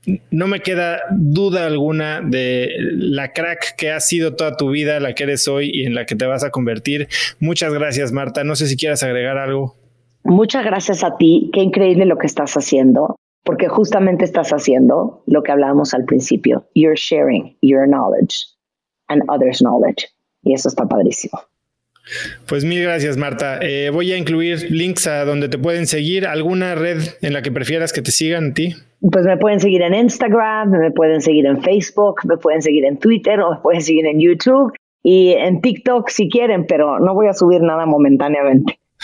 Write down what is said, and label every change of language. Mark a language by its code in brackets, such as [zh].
[es] No me queda duda alguna de la crack que has sido toda tu vida, la que eres hoy y en la que te vas a convertir. Muchas gracias, Marta. No sé si quieras agregar algo. Muchas gracias a ti. Qué increíble lo que estás haciendo, porque justamente estás haciendo lo que hablábamos al principio. [en] You're sharing your knowledge. And others' knowledge. Y eso está padrísimo. [es] Pues mil gracias, Marta. Voy a incluir links a donde te pueden seguir. ¿Alguna red en la que prefieras que te sigan a ti? Pues me pueden seguir en Instagram, me pueden seguir en Facebook, me pueden seguir en Twitter o me pueden seguir en YouTube y en TikTok si quieren, pero no voy a subir nada momentáneamente.